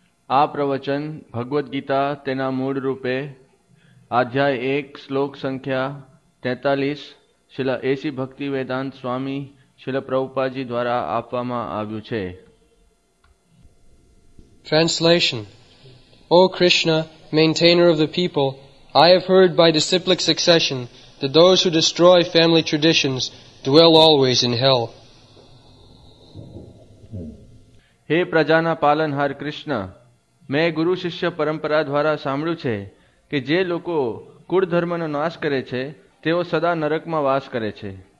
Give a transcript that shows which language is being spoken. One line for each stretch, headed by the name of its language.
Gujarati: Aa pravachan Bhagavad Gita tena mood rupe, adhyay 1 slok sankhya 43, શિલા એસી ભક્તિ વેદાંત સ્વામી શિલા પ્રભુપાદજી દ્વારા આપવામાં આવ્યું છે.
English: Translation: O Krishna, maintainer of the people, I have heard by disciplic succession that those who destroy family traditions dwell always in hell.
Gujarati: હે પ્રજાના પાલનહાર કૃષ્ણ, મેં ગુરુ શિષ્ય પરંપરા દ્વારા સાંભળ્યું છે કે જે લોકો કુળ ધર્મનો નાશ કરે છે તેઓ સદા નરકમાં વાસ કરે છે.